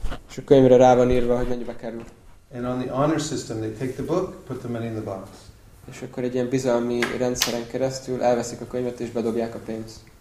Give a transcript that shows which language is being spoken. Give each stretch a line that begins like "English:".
Hungarian: És a könyvre rá van írva, hogy mennyibe kerül.
English: And on the honor system, they take the book, put the money in the box.
Hungarian: És akkor egy ilyen bizalmi rendszeren keresztül elveszik a könyvet és bedobják a pénzt.